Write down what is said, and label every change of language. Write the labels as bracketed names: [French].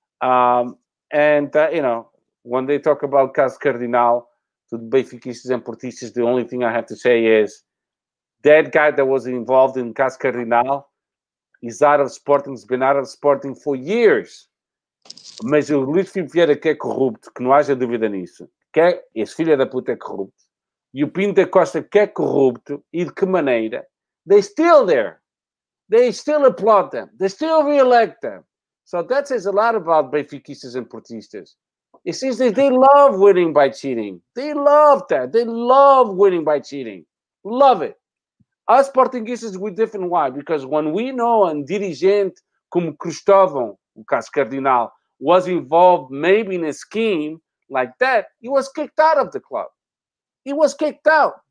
[English] When they talk about Cas Cardinal, to the Benfiquistas and Portistas, the only thing I have to say is that guy that was involved in Cas Cardinal is out of Sporting, has been out of Sporting for years. [Portuguese] Mas o Luís Filipe Vieira, que é corrupto, que não haja dúvida nisso, que é, esse filho da puta é corrupto, e o Pinto da Costa, que é corrupto, e de que maneira, [English] they're still there. They still applaud them. They still re-elect them. So that says a lot about Benfiquistas and Portistas. It seems that they love winning by cheating. They love that. They love winning by cheating. Love it. Us Portinguistas, we're different. Why? Because when we know a dirigente [Portuguese] como Cristóvão, o caso Cardinal, [English] was involved maybe in a scheme like that, he was kicked out of the club. He was kicked out.